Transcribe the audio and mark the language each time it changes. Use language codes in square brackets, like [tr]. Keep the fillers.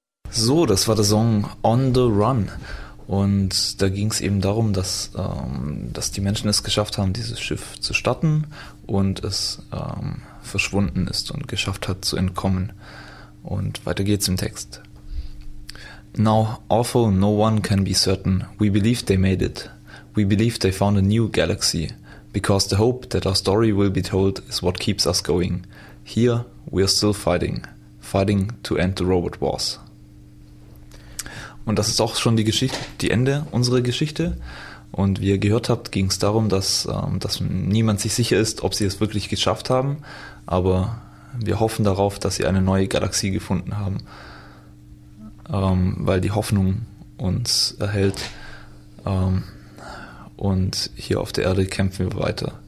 [de] So, das war der Song On the Run. Und da ging es eben darum, dass, ähm, dass die Menschen es geschafft haben, dieses Schiff zu starten und es ähm, verschwunden ist und geschafft hat zu entkommen. Und weiter geht's im Text. [en] Now, awful no one can be certain. We believe they made it. We believe they found a new galaxy. Because the hope that our story will be told is what keeps us going. Here, we are still fighting. Fighting to end the robot wars. [de] Und das ist auch schon die Geschichte, die Ende unserer Geschichte. Und wie ihr gehört habt, ging es darum, dass, ähm, dass niemand sich sicher ist, ob sie es wirklich geschafft haben. Aber wir hoffen darauf, dass sie eine neue Galaxie gefunden haben. Ähm, weil die Hoffnung uns erhält. Ähm, und hier auf der Erde kämpfen wir weiter.